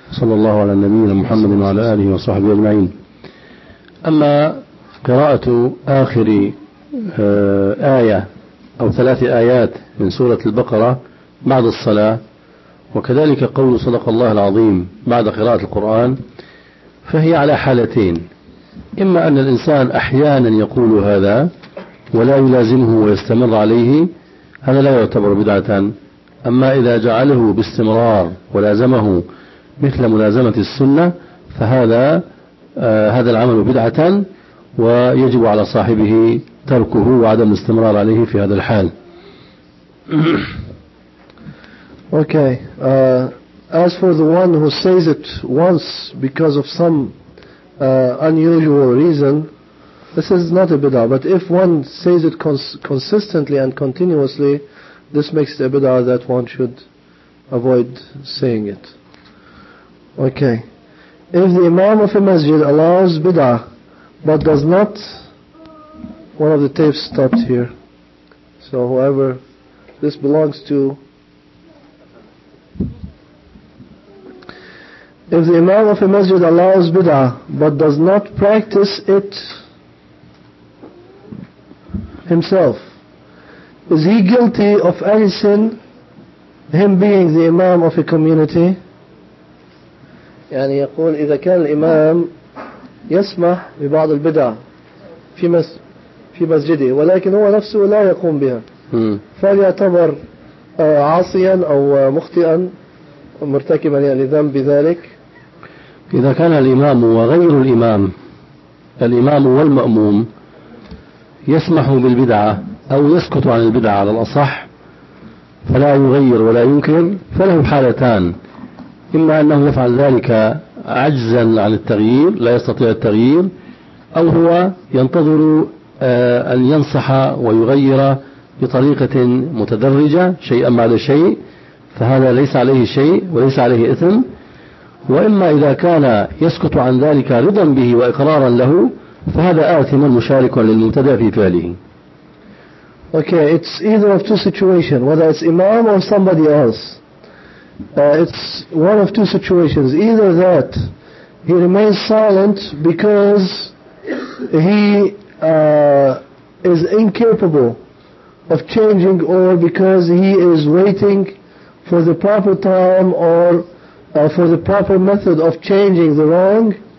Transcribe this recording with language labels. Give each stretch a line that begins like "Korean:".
Arabic: صلى الله على النبي محمد وعلى آله وصحبه أجمعين. أما قراءة آخر آية أو ثلاث آيات من سورة البقرة بعد الصلاة، وكذلك قول صدق الله العظيم بعد قراءة القرآن، فهي على حالتين: إما أن الإنسان أحيانا يقول هذا ولا يلازمه ويستمر عليه، هذا لا يعتبر بدعة. أما إذا جعله باستمرار ولازمه مثل ملازمة السنة، فهذا هذا العمل بدعة، ويجب على صاحبه تركه وعدم الاستمرار عليه في هذا الحال.
English: Okay, as for the one who says it once because of some unusual reason, this is not a bid'ah. But if one says it consistently and continuously, this makes it a bid'ah that one should avoid saying it. Okay, if the imam of a masjid allows bid'ah but does not, one of the tapes stopped here. So whoever this belongs to, if the imam of a masjid allows bid'ah but does not practice it himself, is he guilty of any sin, him being the imam of a community?
Arabic: يعني يقول إذا كان الإمام يسمح ببعض البدع في مسجده ولكن هو نفسه لا يقوم بها، فليعتبر عاصيا أو مخطئا مرتكبا يعني ذنب بذلك؟ إذا كان الإمام وغير الإمام الإمام والمأموم يسمح بالبدعة أو يسكت عن البدعة على الأصح فلا يغير ولا ينكر، فله حالتان: إما أنه يفعل ذلك عجزا عن التغيير لا يستطيع التغيير، أو هو ينتظر أن ينصح ويغير بطريقة متدرجة شيئا بعد شيء، فهذا ليس عليه شيء وليس عليه إثم. وإما إذا كان يسكت عن ذلك رضا به وإقرارا له فهذا آثم مشارك للمبتدع في فعله.
English: Okay, it's either of two situations, whether it's Imam or somebody else. It's one of two situations. Either that he remains silent because he is incapable of changing, or because he is waiting for the proper time or for the proper method of changing the wrong.